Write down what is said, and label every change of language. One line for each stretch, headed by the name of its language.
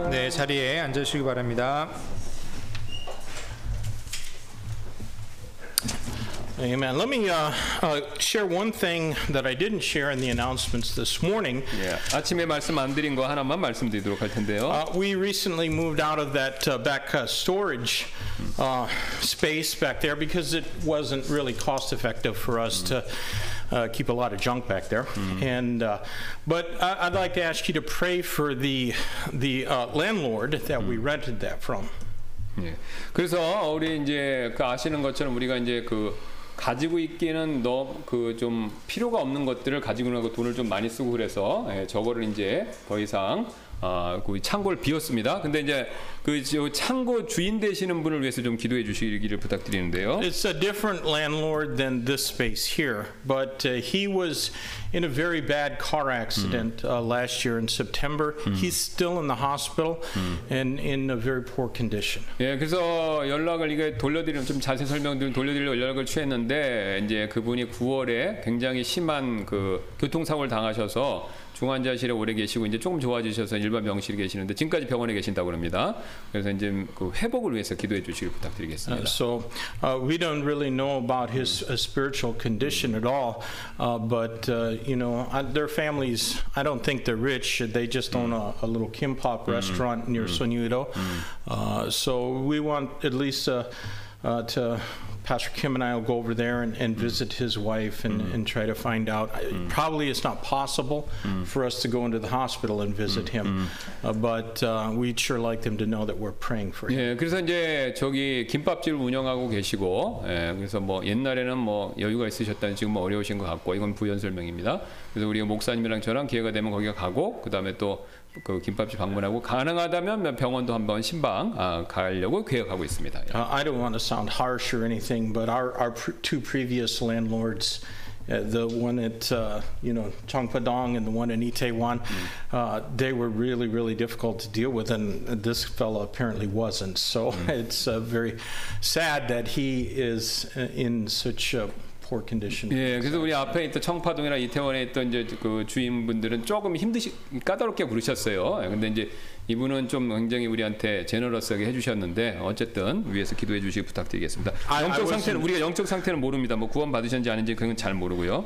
Korean: 자리에 앉으시기 바랍니다.
English: Amen. Let me share one thing that I didn't share in the announcements this morning. Yeah.
Korean: 아침에 말씀 안 드린 거 하나만 말씀드리도록 할 텐데요.
English: We recently moved out of that back storage space back there because it wasn't really cost effective for us to keep a lot of junk back there. And but I'd like to ask you to pray for the landlord that we rented that from.
Korean: 예. 그래서 우리 이제 그 아시는 것처럼 우리가 이제 그 가지고 있기는 너무 그 좀 필요가 없는 것들을 가지고 나고 돈을 좀 많이 쓰고 그래서 예, 저거를 이제 더 이상 그 창고를 비웠습니다. 근데 이제 그 창고 주인 되시는 분을 위해서 좀 기도해 주시기를 부탁드리는데요.
English: It's a different landlord than this space here, but he was in a very bad car accident last year in September. He's still in the hospital and in a very poor condition.
Korean: 예, 그래서 연락을 이게 돌려드리는 좀 자세 설명 좀 돌려드리려고 연락을 취했는데 이제 그분이 9월에 굉장히 심한 그 교통사고를 당하셔서 중환자실에 오래 계시고 이제 조금 좋아지셔서 일반 병실에 계시는데 지금까지 병원에 계신다고 합니다. 그래서 이제 그 회복을 위해서 기도해 주시길 부탁드리겠습니다.
English: So we don't really know about his spiritual condition at all, but you know, their families. I don't think they're rich. They just own a little kimbap restaurant near Sonuido. So we want at least to. Pastor Kim and I will go over there and visit his wife and try to find out. Probably it's not possible for us to go into the hospital and visit him, but we'd sure like them to know that we're praying for him.
Korean: 예, 그래서 이제 저기 김밥집을 운영하고 계시고, 예, 그래서 뭐 옛날에는 뭐 여유가 있으셨다는 지금 뭐 어려우신 것 같고, 이건 부연 설명입니다. 그래서 우리 목사님이랑 저랑 기회가 되면 거기 가고, 그 다음에 또 그 김밥집 방문하고 가능하다면 병원도 한번 신방 가려고 계획하고 있습니다.
English: I don't want to sound harsh or anything, but our two previous landlords, the one at you know, Cheongpa-dong and the one in Itaewon, they were really really difficult to deal with, and this fellow apparently wasn't. So it's very sad that he is in such a poor condition.
Korean: 예, 그래서 우리 앞에 있던 청파동이나 이태원에 있던 이제 그 주인분들은 조금 힘드시 까다롭게 부르셨어요. 근데 이제 이분은 좀 굉장히 우리한테 제너러스하게 해주셨는데 어쨌든 위에서 기도해 주시기 부탁드리겠습니다. 영적 상태는 우리가 영적 상태는 모릅니다. 뭐 구원 받으셨는지 아닌지 그건 잘 모르고요.